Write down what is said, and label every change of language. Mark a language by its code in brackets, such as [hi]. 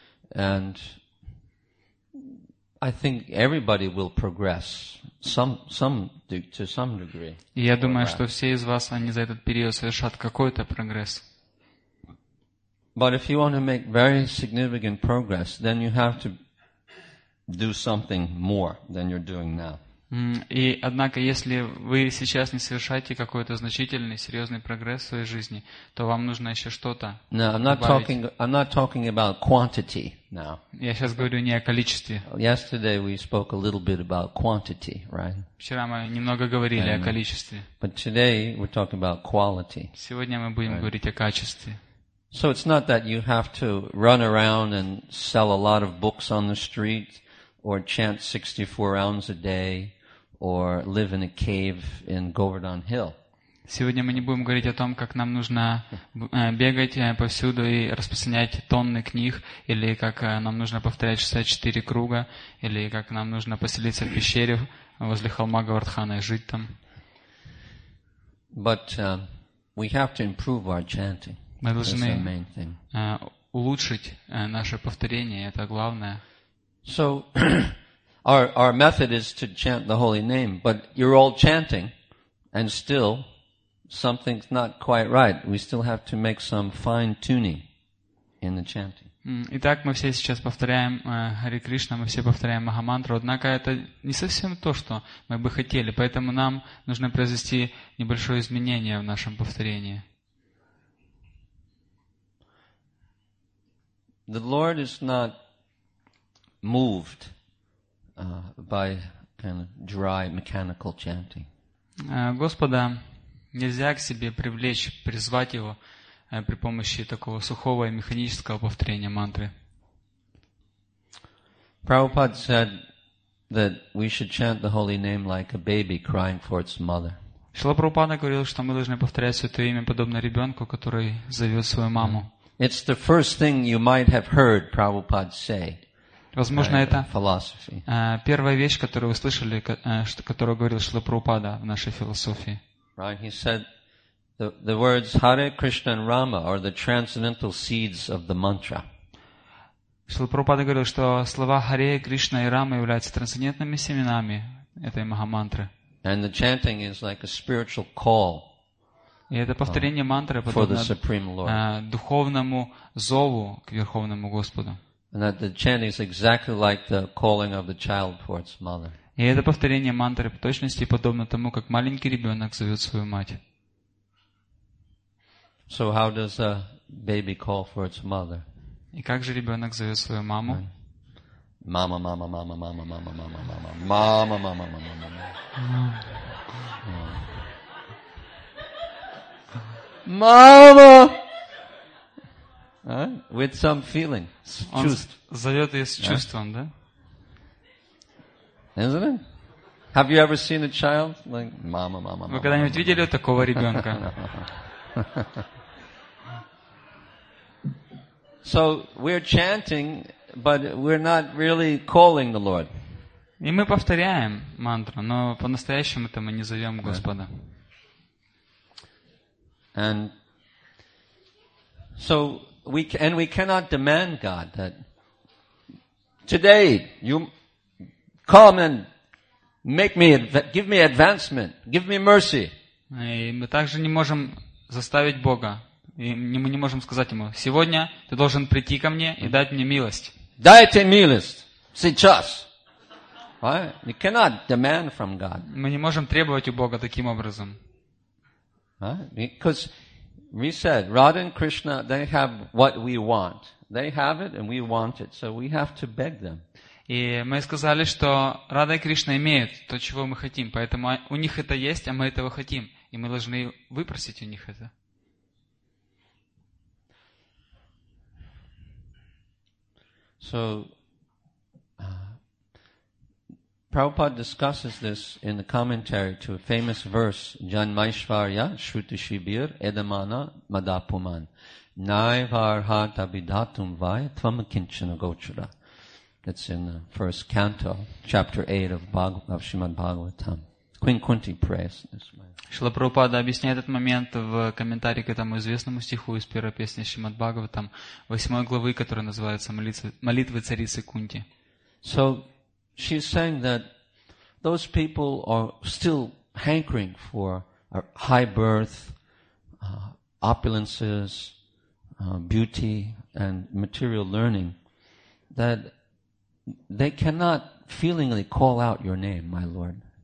[en] And I think everybody will progress to some degree. [ru] Я думаю, что все из вас они за этот период совершат какой-то прогресс. [en] But if you want to make very significant progress, then you have to do something more than you're doing now. [ru] И однако, если вы сейчас не совершаете какой-то значительный, серьезный прогресс в своей жизни, то вам нужно еще что-то добавить. [en] No, I'm not talking about quantity now. [ru] Я сейчас говорю не о количестве. [en] Yesterday we spoke a little bit about quantity, right? [ru] Вчера мы немного говорили о количестве. [en] But today we're talking about quality. [ru] Сегодня мы будем говорить о качестве. [en] So it's not that you have to run around and sell a lot of books on the street, or chant 64 rounds a day, or live in a cave in Govardhan Hill. [ru] Сегодня мы не будем говорить о том, как нам нужно бегать повсюду и распространять тонны книг, или как нам нужно повторять 64 круга, или как нам нужно поселиться в пещере возле холма Говардхана и жить там. [en] But we have to improve our chanting. [ru] Мы должны улучшить наше повторение, это главное. [en] So our method is to chant the holy name, but you're all chanting and still something's not quite right. We still have to make some fine tuning in the chanting. [ru] Итак, мы все сейчас повторяем Хари Кришна, мы все повторяем Махамантру, однако это не совсем то, что мы бы хотели, поэтому нам нужно произвести небольшое изменение в нашем повторении. [en] The Lord is not moved by kind of dry mechanical chanting. [ru] Господа нельзя к себе привлечь, призвать его при помощи такого сухого и механического повторения мантры. [en] Prabhupada said that we should chant the holy name like a baby crying for its mother. [ru] Шрила Прабхупада говорил, что мы должны повторять святое имя подобно ребенку, который зовет свою маму. [en] It's the first thing you might have heard Prabhupada say. [ru] Возможно, это первая вещь, которую вы слышали, которую говорил Шрила Прабхупада в нашей философии. [en] Right, he said the words Hare Krishna and Rama are the transcendental seeds of the mantra. [ru] Шрила Прабхупада говорил, что слова Харе, Кришна и Рама являются трансцендентными семенами этой Махамантры. [en] And the chanting is like a spiritual call. [ru] И это повторение мантры подобно духовному зову к Верховному Господу. [en] And that the chanting is exactly like the calling of the child for its mother. [ru] И это повторение мантры в точности подобно тому, как маленький ребенок зовет свою мать. [en] So how does a baby call for its mother? [ru] И как же ребенок зовет свою маму? Мама, мама, мама, мама, мама, мама, мама, мама, мама, мама, мама. Мама! [en] With some feeling. [ru] Зовет ее с чувством, да? [en] Isn't it? Have you ever seen a child like mama, mama, mama? [ru] Вы когда-нибудь видели такого ребенка? [en] So we're chanting, but we're not really calling the Lord. [ru] И мы повторяем мантру, но по-настоящему это мы не зовем Господа. [en] And so we cannot demand God that today you come and make me give me advancement, give me mercy. [ru] И мы также не можем заставить Бога, и мы не можем сказать ему: сегодня ты должен прийти ко мне и дать мне милость. Дайте милость сейчас. [en] Right? We cannot demand from God. [ru] Мы не можем требовать у Бога таким образом. [en] Because we said Radha and Krishna, they have what we want. They have it, and we want it. So we have to beg them. [ru] И мы сказали, что Радха и Кришна имеют то, чего мы хотим, поэтому у них это есть, а мы этого хотим, и мы должны выпросить у них это. [en] So Prabhupada discusses this in the commentary to a famous verse, [sa] Janmaishvarya Shruti Shibir Edamana Madapuman Naivarhata Bidhatum Vai Tvamakinchana Gochura. [en] It's in the first canto, chapter 8 of Shrimad Bhagavatam. Queen Kunti prays this way. [ru] Шрила Прабхупада объясняет этот момент в комментарии к этому известному стиху из первой песни Шримад Бхагаватам, 8 главы, которая называется «Молитвы царицы Кунти». [en] So, she's saying that those people are still hankering for high birth, opulences, beauty, and material learning, that they cannot feelingly call out your name, my Lord.